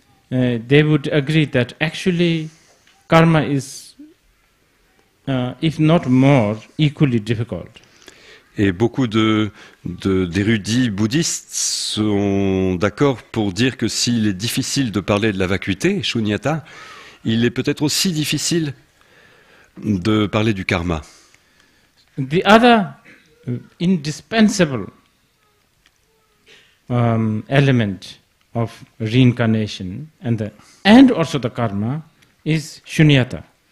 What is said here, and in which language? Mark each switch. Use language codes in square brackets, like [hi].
[en] They would agree that actually karma is, if not more, equally difficult. [fr] Et beaucoup d'érudits bouddhistes sont d'accord pour dire que s'il est difficile de parler de la vacuité, shunyata, il est peut-être aussi difficile de parler du karma. [en] The other indispensable element of reincarnation and also the karma is shunyata.